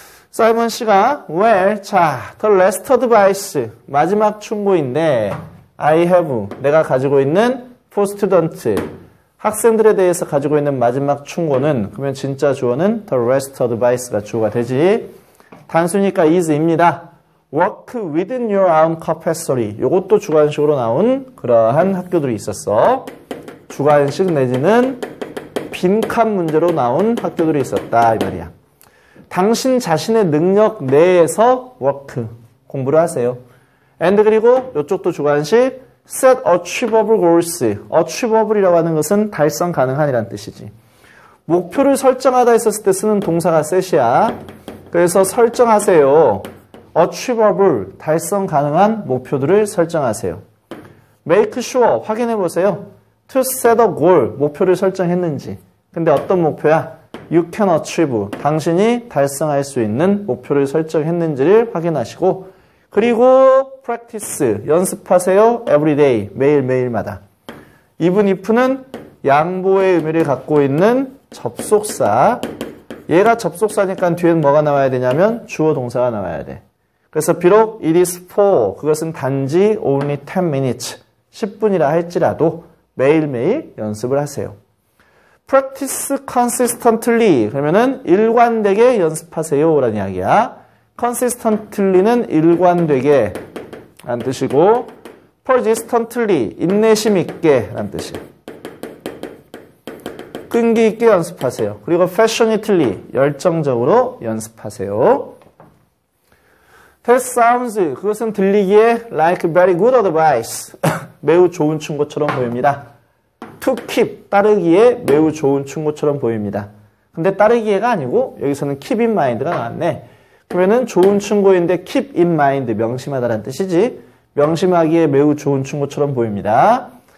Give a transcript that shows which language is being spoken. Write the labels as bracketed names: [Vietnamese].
[Korean] 사이먼 씨가, [English] well, [Korean] 자, [English] the last advice, [Korean] 마지막 충고인데, [English] I have, [Korean] 내가 가지고 있는 [English] for student, [Korean] 학생들에 대해서 가지고 있는 마지막 충고는, 그러면 진짜 주어는 the last advice가 주어가 되지. 단순히가 is입니다. [English] Work within your own capacity. [Korean] 요것도 주관식으로 나온 그러한 학교들이 있었어. 주관식 내지는 빈칸 문제로 나온 학교들이 있었다. 이 말이야. 당신 자신의 능력 내에서 [English] work. [Korean] 공부를 하세요. And 그리고 요쪽도 주관식. [English] Set achievable goals. [Korean] Achievable이라고 하는 것은 달성 가능한이란 뜻이지. 목표를 설정하다 했었을 때 쓰는 동사가 set이야. 그래서 설정하세요. [English] Achievable, [Korean] 달성 가능한 목표들을 설정하세요. [English] Make sure, [Korean] 확인해보세요. [English] To set a goal, [Korean] 목표를 설정했는지. 근데 어떤 목표야? [English] You can achieve, [Korean] 당신이 달성할 수 있는 목표를 설정했는지를 확인하시고 그리고 [English] practice, [Korean] 연습하세요. [English] Every day, [Korean] 매일매일마다. Even if는 양보의 의미를 갖고 있는 접속사. 얘가 접속사니까 뒤에는 뭐가 나와야 되냐면 주어 동사가 나와야 돼. 그래서 비록 [English] it is for, [Korean] 그것은 단지 [English] only 10 minutes, [Korean] 10분이라 할지라도 매일매일 연습을 하세요. [English] Practice consistently, [Korean] 그러면은 일관되게 연습하세요 라는 이야기야. Consistently는 일관되게 라는 뜻이고 persistently, 인내심 있게 라는 뜻이야. 끈기 있게 연습하세요. 그리고 [English] passionately, [Korean] 열정적으로 연습하세요. [English] That sounds, [Korean] 그것은 들리기에 [English] like very good advice. [Korean] 매우 좋은 충고처럼 보입니다. [English] To keep, [Korean] 따르기에 매우 좋은 충고처럼 보입니다. 근데 따르기에가 아니고 여기서는 [English] keep in mind [Korean] 가 나왔네. 그러면은 좋은 충고인데 keep in mind, 명심하다라는 뜻이지. 명심하기에 매우 좋은 충고처럼 보입니다.